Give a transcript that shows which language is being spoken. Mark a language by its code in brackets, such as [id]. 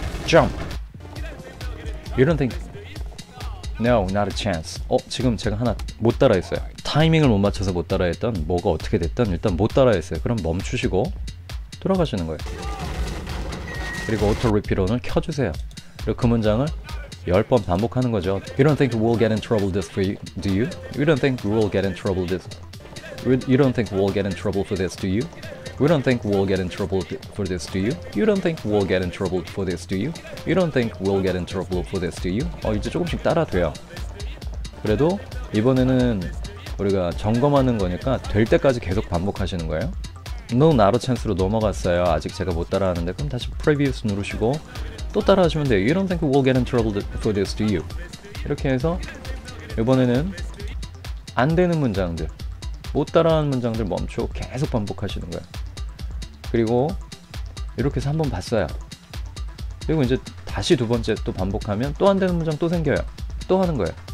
[en] Jump! You don't think? No, not a chance. [ko] 지금 제가 하나 못 따라했어요. 타이밍을 못 맞춰서 못 따라했던, 뭐가 어떻게 됐든 일단 못 따라했어요. 그럼 멈추시고 돌아가시는 거예요. 그리고 Auto Repeat On을 켜주세요. 그리고 그 문장을 10번 반복하는 거죠. [en] You don't think we'll get in trouble this for you, do you? You don't think we'll get in trouble this. You don't think we'll get in trouble for this, do you? We don't think we'll get in trouble for this, do you? You don't think we'll get in trouble for this, do you? You don't think we'll get in trouble for this, do you? [ko] 이제 조금씩 따라 돼요. 그래도 이번에는 우리가 점검하는 거니까 될 때까지 계속 반복하시는 거예요. [en] No, not a chance [ko] 로 넘어갔어요. 아직 제가 못 따라하는데 그럼 다시 previous 누르시고 또 따라 하시면 돼요. [en] You don't think we'll get in trouble for this, do you? [ko] 이렇게 해서 이번에는 안 되는 문장들, 못 따라하는 문장들 멈추고 계속 반복하시는 거예요. 그리고 이렇게 해서 한번 봤어요. 그리고 이제 다시 두 번째 또 반복하면 또 안 되는 문장 또 생겨요. 또 하는 거예요.